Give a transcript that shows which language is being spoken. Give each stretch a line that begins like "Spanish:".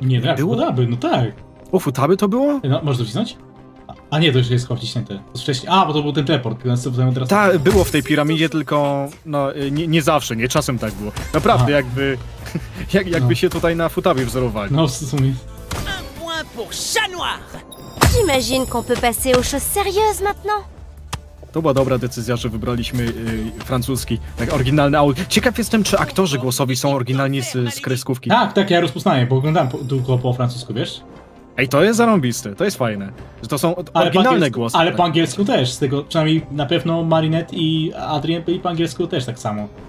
Polish: Nie, tak, było? Futaby, no tak. U Futaby to było? No, możesz docisnąć? A nie, to już jest wciśnięte. Wcześniej... A, bo to był ten teleport, więc tutaj teraz... Tak, było w tej piramidzie, tylko no, nie zawsze, nie czasem tak było. Naprawdę, jakby... Jakby się tutaj na Futabie wzorowali. No, w sumie...
French: Un point pour chat noir! J'imagine qu'on peut passer aux choses sérieuses maintenant.
Polish: To była dobra decyzja, że wybraliśmy francuski, tak oryginalny audio. Ciekaw jestem, czy aktorzy głosowi są oryginalni z kreskówki. Tak, tak, ja rozpoznaję, bo oglądałem tylko po francusku, wiesz? Ej, to jest zarąbiste, to jest fajne, że to są oryginalne głosy. Ale po angielsku też, z tego przynajmniej na pewno Marinette i Adrien byli po angielsku też tak samo.